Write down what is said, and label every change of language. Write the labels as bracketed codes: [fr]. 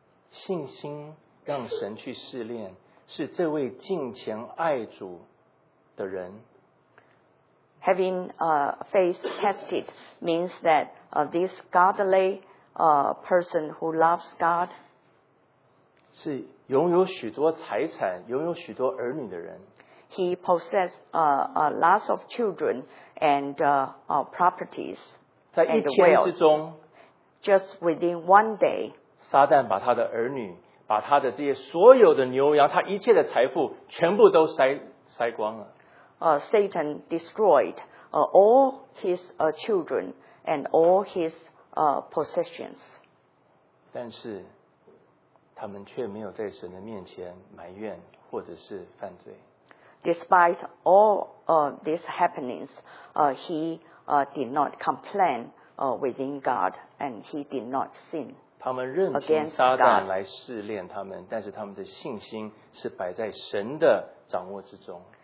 [zh] 信心让神去试炼，是这位敬虔爱主的人。 [en] Having faith tested means that this godly person who loves God [zh] 是拥有许多财产、拥有许多儿女的人。 [en] He possesses lots of children and properties. [zh] 在一天之中 [en] ，just within one day， [zh] 撒旦把他的儿女、把他的这些所有的牛羊、他一切的财富全部都塞光了。 [en] Satan destroyed all his children and all his possessions. [zh] 但是他们却没有在神的面前埋怨或者是犯罪。 [en] Despite all these happenings, he did not complain within God and he did not sin. [zh] 他们任凭撒旦来试炼他们，但是他们的信心是摆在神的掌握之中。